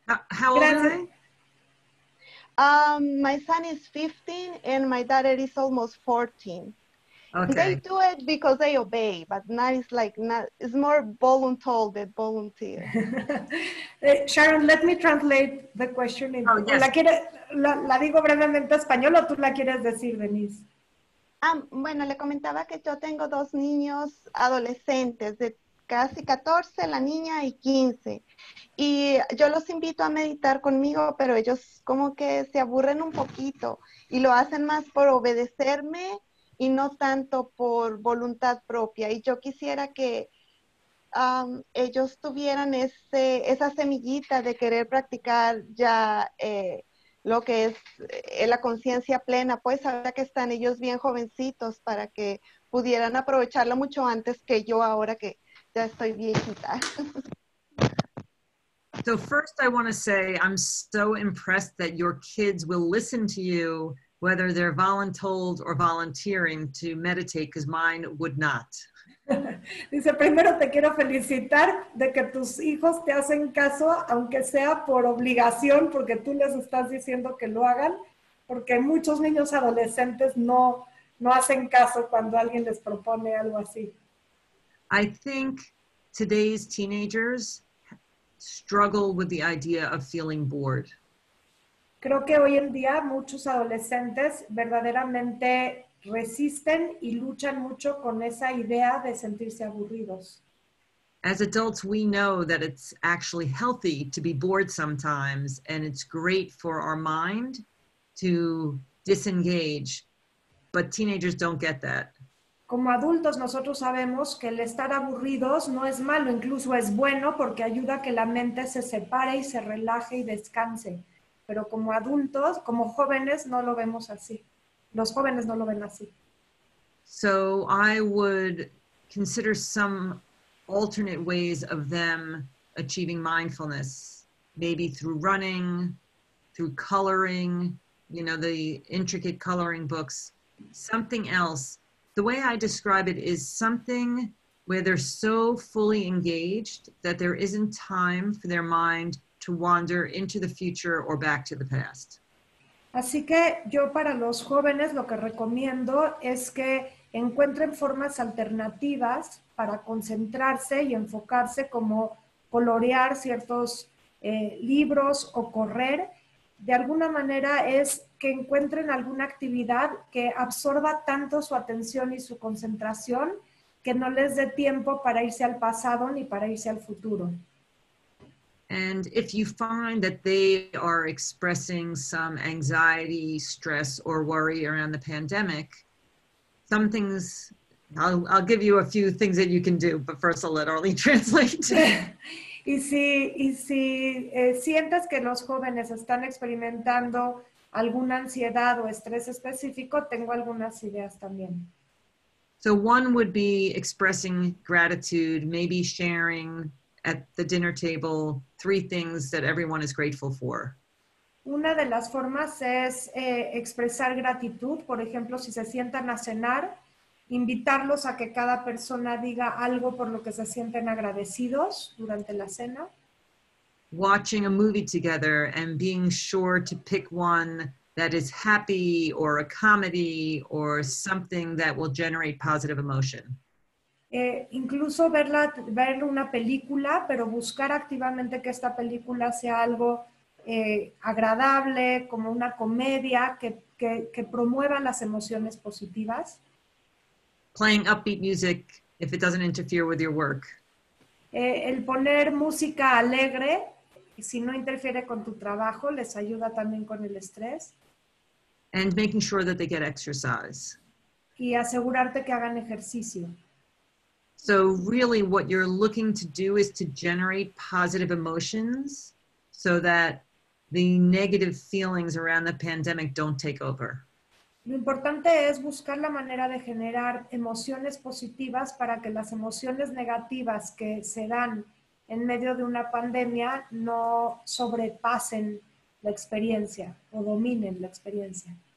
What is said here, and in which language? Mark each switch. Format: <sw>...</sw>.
<en>How old are they? My son is 15 and my daughter is almost 14. Okay. They do it because they obey, but now it's like, not, it's more voluntold than volunteer. Sharon, let me translate the question. Oh, yes.</en> <es>¿La digo brevemente en español o tú la quieres decir, Denise? Bueno, le comentaba que yo tengo dos niños adolescentes, de casi 14, la niña y 15. Y yo los invito a meditar conmigo, pero ellos como que se aburren un poquito y lo hacen más por obedecerme y no tanto por voluntad propia. Y yo quisiera que ellos tuvieran esa semillita de querer practicar ya lo que es la conciencia plena, pues ahora que están ellos bien jovencitos, para que pudieran aprovecharlo mucho antes que yo ahora que ya estoy viejita.</es> <en>So first I want to say I'm so impressed that your kids will listen to you whether they're voluntold or volunteering to meditate, because mine would not.</en> <es>Dice, primero te quiero felicitar de que tus hijos te hacen caso, aunque sea por obligación, porque tú les estás diciendo que lo hagan, porque muchos niños adolescentes no hacen caso cuando alguien les propone algo así.</es> <en>I think today's teenagers struggle with the idea of feeling bored.</en> <es>Creo que hoy en día muchos adolescentes verdaderamente resisten y luchan mucho con esa idea de sentirse aburridos.</es> <en>As adults, we know that it's actually healthy to be bored sometimes, and it's great for our mind to disengage, but teenagers don't get that.</en> <es>Como adultos, nosotros sabemos que el estar aburridos no es malo, incluso es bueno porque ayuda a que la mente se separe y se relaje y descanse. Pero como adultos, como jóvenes, no lo vemos así. Los jóvenes no lo ven así.</es> <en>So I would consider some alternate ways of them achieving mindfulness, maybe through running, through coloring, you know, the intricate coloring books, something else. The way I describe it is something where they're so fully engaged that there isn't time for their mind to wander into the future or back to the past.</en> <es>Así que yo para los jóvenes lo que recomiendo es que encuentren formas alternativas para concentrarse y enfocarse, como colorear ciertos libros o correr. De alguna manera es que encuentren alguna actividad que absorba tanto su atención y su concentración que no les dé tiempo para irse al pasado ni para irse al futuro.</es> <en>And if you find that they are expressing some anxiety, stress, or worry around the pandemic, some things, I'll give you a few things that you can do, but first I'll literally translate.</en> <es>Y si sientes que los jóvenes están experimentando alguna ansiedad o estrés específico, tengo algunas ideas también.</es> <en>So one would be expressing gratitude, maybe sharing at the dinner table, three things that everyone is grateful for.</en> <es>Una de las formas es expresar gratitud. Por ejemplo, si se sientan a cenar, invitarlos a que cada persona diga algo por lo que se sienten agradecidos durante la cena.</es> <en>Watching a movie together and being sure to pick one that is happy or a comedy or something that will generate positive emotion.</en> <es>Incluso ver una película, pero buscar activamente que esta película sea algo agradable, como una comedia que promueva las emociones positivas.</es> <en>Playing upbeat music if it doesn't interfere with your work.</en> <es>El poner música alegre, si no interfiere con tu trabajo, les ayuda también con el estrés.</es> <en>And making sure that they get exercise.</en> <es>Y asegurarte que hagan ejercicio.</es> <en>So really what you're looking to do is to generate positive emotions so that the negative feelings around the pandemic don't take over.</en> <es>Lo importante es buscar la manera de generar emociones positivas para que las emociones negativas que se dan en medio de una pandemia no sobrepasen la experiencia o dominen la experiencia.</es>